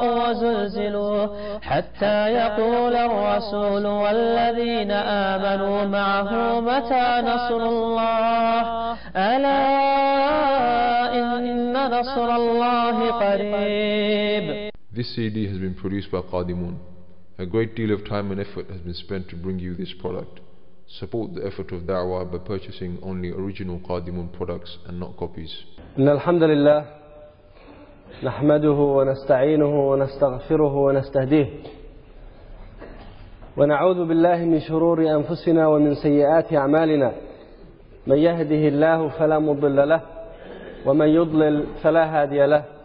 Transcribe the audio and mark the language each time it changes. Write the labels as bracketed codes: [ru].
[ar] وزلزلوا حتى يقول الرسول والذين آمنوا معه متى نصر الله ألا إن نصر الله قريب. [en] This CD has been produced by Qadimun. A great deal of time and effort has been spent to bring you this product. Support the effort of Da'wah by purchasing only original Qadimun products and not copies. [ar] إن الحمد لله نحمده ونستعينه ونستغفره ونستهديه ونعوذ بالله من شرور أنفسنا ومن سيئات أعمالنا. من يهده الله فلا مضل له ومن يضلل فلا هادي له.